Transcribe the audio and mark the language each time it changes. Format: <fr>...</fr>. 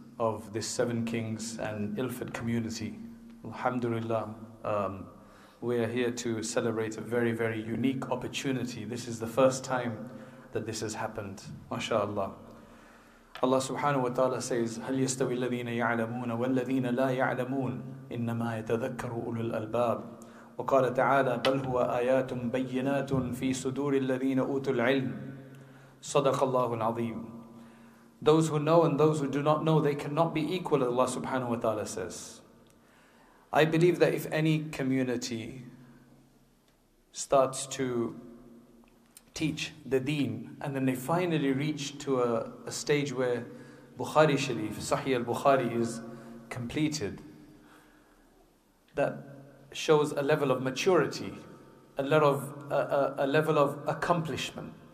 <en>of this Seven Kings and Ilford community. Alhamdulillah, we are here to celebrate a very, very unique opportunity. This is the first time that this has happened, mashallah. Allah subhanahu wa ta'ala says,</en> <ar>هَلْ يَسْتَوِي الَّذِينَ يَعْلَمُونَ وَالَّذِينَ لَا يَعْلَمُونَ إِنَّمَا يَتَذَكَّرُ أُولُو الْأَلْبَابِ وَقَالَ تَعَالَى بَلْ هُوَ آيَاتٌ بَيِّنَاتٌ فِي صُدُورِ الَّذِينَ أُوتُوا الْعِلْمِ صَدَقَ اللَّهُ الْعَظِيمُ.</ar> <en>Those who know and those who do not know, they cannot be equal, Allah subhanahu wa ta'ala says. I believe that if any community starts to teach the deen, and then they finally reach to a stage where Bukhari Sharif, Sahih al-Bukhari is completed, that shows a level of maturity, a level of accomplishment.</en>